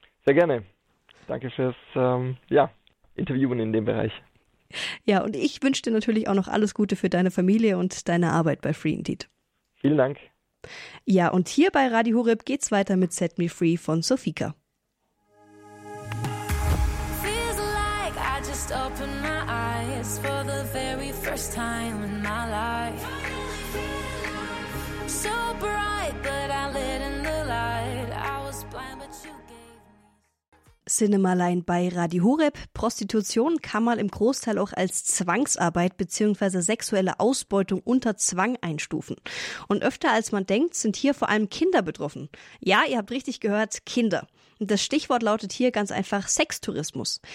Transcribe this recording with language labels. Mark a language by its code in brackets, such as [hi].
[de] Sehr gerne. Danke fürs ja, Interviewen in dem Bereich. Ja, und ich wünsche dir natürlich auch noch alles Gute für deine Familie und deine Arbeit bei Free Indeed. Vielen Dank. Ja, und hier bei Radio Horeb geht's weiter mit Set Me Free von Sofika. [en] Feels like I just opened my eyes for the very first time in my life. So bright that I lit in the light. I was blind, but you gave me. [de] Cinemaline bei Radio Horeb. Prostitution kann man im Großteil auch als Zwangsarbeit bzw. sexuelle Ausbeutung unter Zwang einstufen. Und öfter als man denkt, sind hier vor allem Kinder betroffen. Ja, ihr habt richtig gehört, Kinder. Das Stichwort lautet hier ganz einfach Sextourismus.